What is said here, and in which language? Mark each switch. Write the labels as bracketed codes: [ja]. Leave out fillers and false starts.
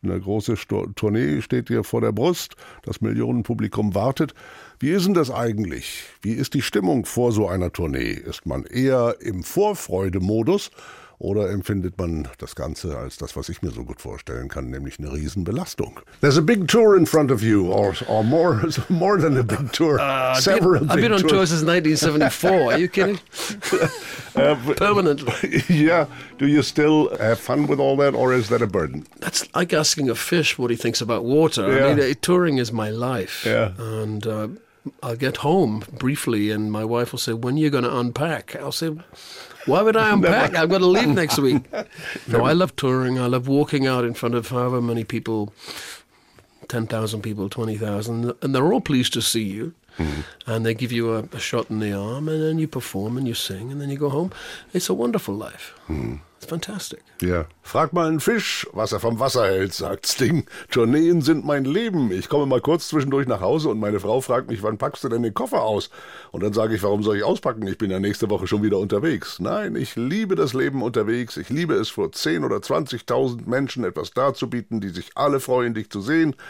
[de] Eine große Tournee steht hier vor der Brust, das Millionenpublikum wartet. Wie ist denn das eigentlich? Wie ist die Stimmung vor so einer Tournee? Ist man eher im Vorfreudemodus oder empfindet man das Ganze als das, was ich mir so gut vorstellen kann, nämlich eine Riesenbelastung? [en] There's a big tour in front of you, or more than a big tour. I've been on tours since 1974. Are you kidding? Permanently. Yeah. Do you still have fun with all that, or is that a burden? That's like asking a fish what he thinks about water. Yeah. I mean, touring is my life. Yeah. And I'll get home briefly, and my wife will say, when are you going to unpack? I'll say, why would I unpack? I've got to leave next week. No, I love touring. I love walking out in front of however many people, 10,000 people, 20,000, and they're all pleased to see you. Mm-hmm. And they give you a shot in the arm, and then you perform and you sing, and then you go home. It's a wonderful life. Mm-hmm. It's fantastic. Yeah. [de] Frag mal einen Fisch, was er vom Wasser hält, sagt Sting. Tourneen sind mein Leben. Ich komme mal kurz zwischendurch nach Hause und meine Frau fragt mich, wann packst du denn den Koffer aus? Und dann sage ich, warum soll ich auspacken? Ich bin ja nächste Woche schon wieder unterwegs. Nein, ich liebe das Leben unterwegs. Ich liebe es, vor 10.000 oder 20.000 Menschen etwas darzubieten, die sich alle freuen, dich zu sehen.